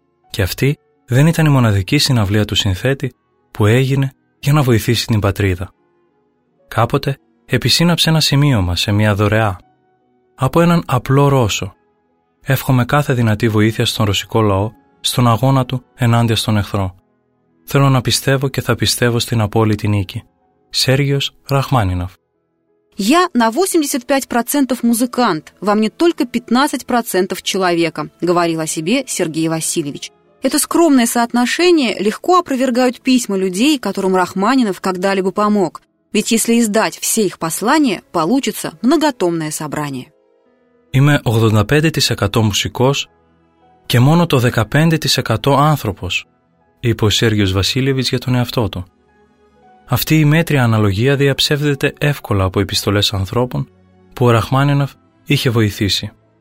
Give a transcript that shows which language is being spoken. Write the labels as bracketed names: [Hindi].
[Greek] Και αυτή δεν ήταν η μοναδική συναυλία του συνθέτη που έγινε για να βοηθήσει την πατρίδα. Κάποτε επισύναψε ένα σημείωμα σε μια δωρεά από έναν απλό Ρώσο. Εύχομαι κάθε δυνατή βοήθεια στον ρωσικό λαό, στον αγώνα του ενάντια στον εχθρό. Θέλω να πιστεύω και θα πιστεύω στην απόλυτη νίκη. Сергиος Рахманинов. [Russian] Я на 85% музыкант, во мне только 15% человека, говорил о себе Сергей Васильевич. Это скромное соотношение легко опровергают письма людей, которым Рахманинов когда-либо помог. Ведь если издать все их послания, получится многотомное собрание. [Greek] Είμαι 85% μουσικός και μόνο το 15% άνθρωπος, είπε ο Σέργιος Βασίλειβιτς για τον εαυτό του. Αυτή η μέτρια αναλογία διαψεύδεται εύκολα από επιστολές ανθρώπων που ο Ραχμάνινοφ είχε βοηθήσει.